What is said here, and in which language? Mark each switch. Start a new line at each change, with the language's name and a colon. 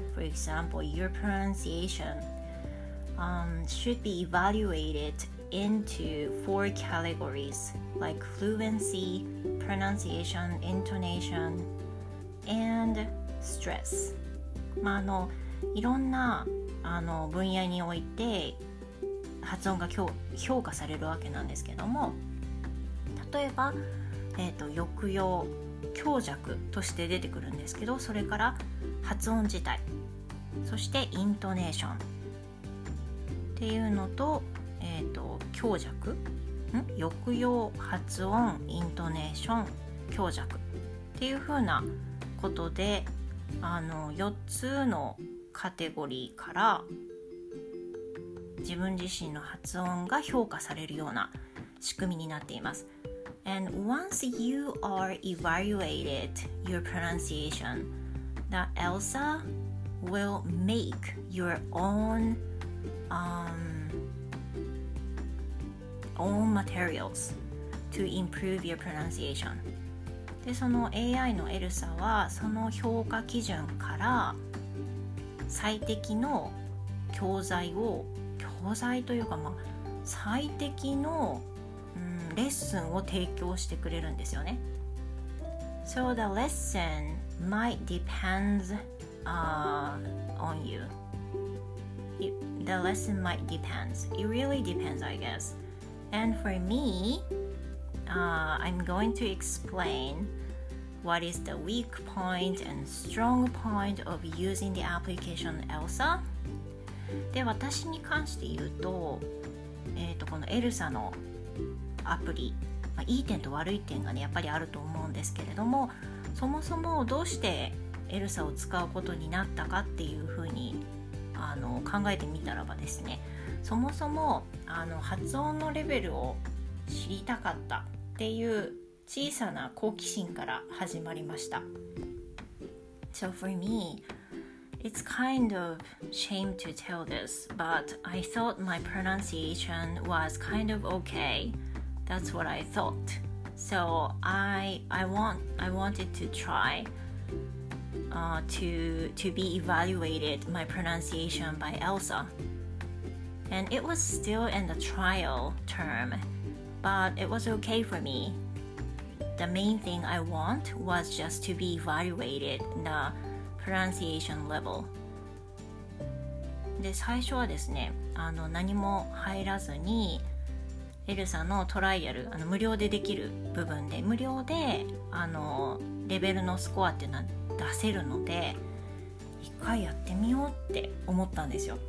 English: For example, your pronunciation should be evaluated into four categories like fluency, pronunciation, intonation, and stress.
Japanese: まあ、いろんな分野において発音が評価されるわけなんですけども、例えば、抑揚、強弱として出てくるんですけど、それから発音自体、そしてイントネーションっていうのと、強弱、抑揚、発音、イントネーション、強弱っていうふうなことで、4つのカテゴリーから自分自身の発音が評価されるような仕組みになっています。
English: And once you are evaluated your pronunciation, the Elsa will make your own materials. to improve your pronunciation。
Japanese: で、その AI のエルサはその評価基準から最適の教材を、教材というか、まあ、最適の、レッスンを提供してくれるんですよね。
English: So the lesson might depends on you. The lesson might depends. It really depends, I guess. And for me, I'm going to explain what is the weak point and strong point of using the application ELSA.
Japanese: で、私に関して言うと、このELSAのアプリ、まあ、いい点と悪い点がね、やっぱりあると思うんですけれども、そもそもどうしてELSAを使うことになったかっていうふうに考えてみたらばですね、そもそも発音のレベルを知りたかったっていう小さな好奇心から始まりました。
English: So for me, it's kind of shame to tell this, but I thought my pronunciation was kind of okay. That's what I thought. So I wanted to try. To be evaluated my pronunciation by ELSA. And it was still in the trial term, but it was okay for me. The main thing I want was just to be evaluated the pronunciation level.
Japanese: で、最初はですね、何も入らずに、ELSAのトライアル、無料でできる部分で、無料で、レベルのスコアっていうのは出せるので一回やってみようって思ったんですよ。